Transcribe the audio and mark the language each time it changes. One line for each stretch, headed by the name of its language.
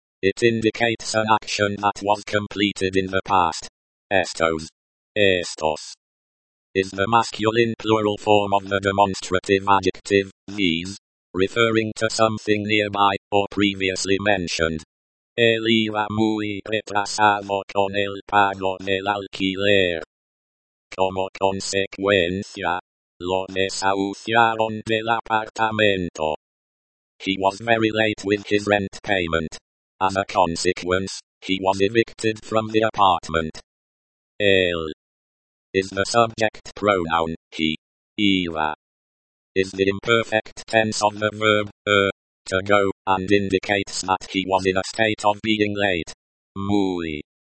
English: It indicates an action that was completed in the past. Estos. Estos. Is the masculine plural form of the demonstrative adjective, these, referring to something nearby, or previously mentioned.
Spanish: Él iba muy retrasado con el pago del alquiler. Como consecuencia, lo desahuciaron del apartamento.
English: He was very late with his rent payment. As a consequence, he was evicted from the apartment. Él. Is the subject pronoun, he, iba. Is the imperfect tense of the verb, to go, and indicates that he was in a state of being late. Muy.